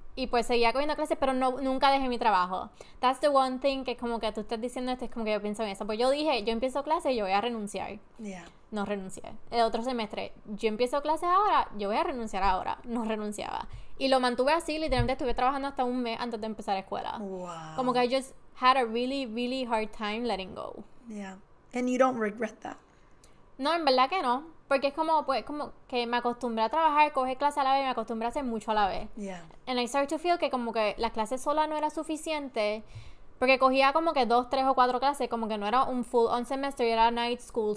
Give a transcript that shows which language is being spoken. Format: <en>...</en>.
<es>Y pues seguía cogiendo clases, pero no, nunca dejé mi trabajo.</es> <en>That's the one thing</en> <es>que como que tú estás diciendo esto, es como que yo pienso en eso. Pues yo dije, yo empiezo clases y yo voy a renunciar.</es> <en>Yeah.</en> <es>No renuncié. El otro semestre, yo empiezo clases ahora, yo voy a renunciar ahora. No renunciaba. Y lo mantuve así, literalmente estuve trabajando hasta un mes antes de empezar escuela.</es> <en>Wow.</en> <es>Como que</es> <en>I just had a really, really hard time letting go. Yeah. And you don't regret that.</en> <es>No, en verdad que no. Porque es como, pues, como que me acostumbré a trabajar, coger clases a la vez, me acostumbré a hacer mucho a la vez.</es> <en>Yeah. And I started to feel</en> <es>que como que las clases solas no era suficiente. Porque cogía como que 2, 3 o 4 clases, como que no era un</es> <en>full on semester,</en> <es>era</es> <en>night school.</en>